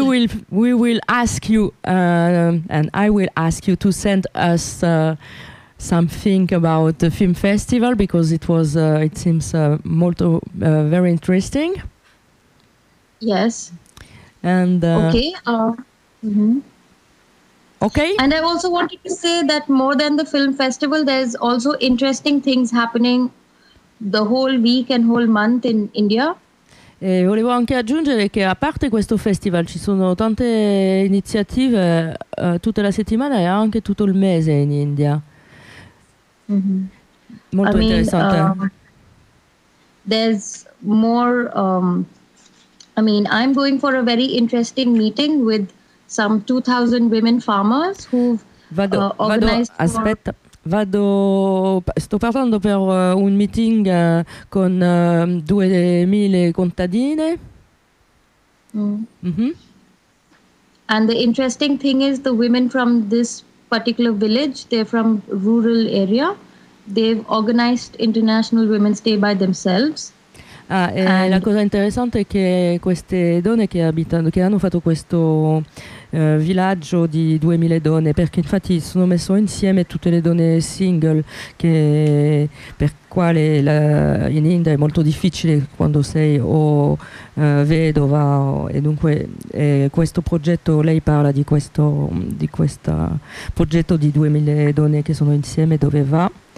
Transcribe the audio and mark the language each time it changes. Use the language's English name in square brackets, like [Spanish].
[English] we will ask you, and I will ask you to send us something about the film festival because it was it seems [Italian] molto [English] very interesting. Yes. And okay. Okay. And I also wanted to say that more than the film festival, there's also interesting things happening the whole week and whole month in India. [Italian] E volevo anche aggiungere che a parte questo festival ci sono tante iniziative tutta la settimana e anche tutto il mese in India. Mm-hmm. Molto interessante. [English] There's more I'm going for a very interesting meeting with some 2000 women farmers who've [Italian] Sto parlando per un meeting con 2000 contadine. Mm. Mm-hmm. [English] And the interesting thing is the women from this particular village, they're from rural area, they've organized International Women's Day by themselves. [Italian] La cosa interessante è che queste donne che hanno fatto questo villaggio di 2000 donne, perché infatti sono messo insieme tutte le donne single, che per quale in India è molto difficile quando sei o vedova, e dunque questo progetto, lei parla di questo progetto di 2000 donne che sono insieme, dove va?